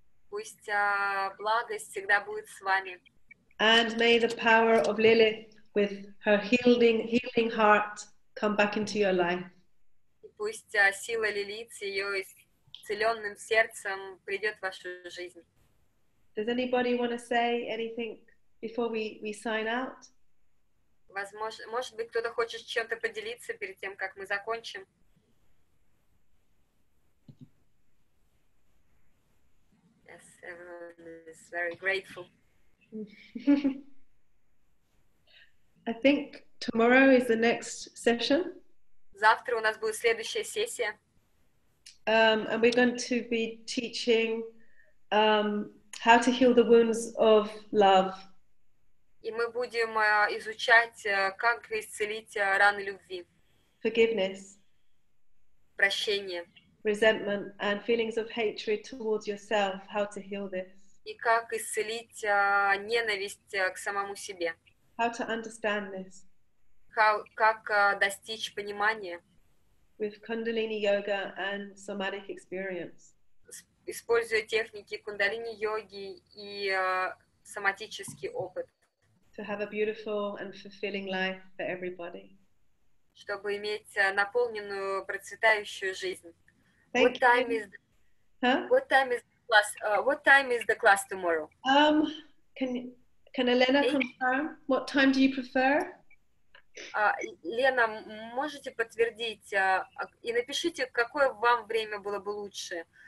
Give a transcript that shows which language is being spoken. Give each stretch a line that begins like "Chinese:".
Russian: Пусть благость всегда будет с вами.
English: And may the power of Lilith with her healing heart come back into your life.
Russian: И пусть сила Лилит с ее исцеленным сердцем придет в вашу жизнь.
English: Does anybody want to say anything before we sign out?
Russian: Возможно, может быть, кто-то хочет чем-то поделиться перед тем, как мы закончим.
English: Yes, everyone is very grateful. I think tomorrow is the next session.
Russian: Завтра у нас будет следующая сессия.
English: And we're going to be teaching how to heal the wounds of love.
Russian: И мы будем изучать, как исцелить раны любви.
English: Forgiveness.
Russian: Прощение.
English: Resentment and feelings of hatred towards yourself, how to heal this.
Russian: И как исцелить ненависть к самому себе.
English: How to understand this.
Russian: Как достичь понимания.
English: With kundalini yoga and somatic experience.
Russian: Используя техники кундалини-йоги и соматический опыт.
English: To have a beautiful and fulfilling life for everybody.
Russian: Чтобы иметь наполненную, процветающую жизнь.
English: Thank what time you. Is huh? What time is the class? What time is the class tomorrow? Can Elena confirm? What time do you prefer?
Russian: Лена, можете подтвердить и напишите, какое вам время было бы лучше?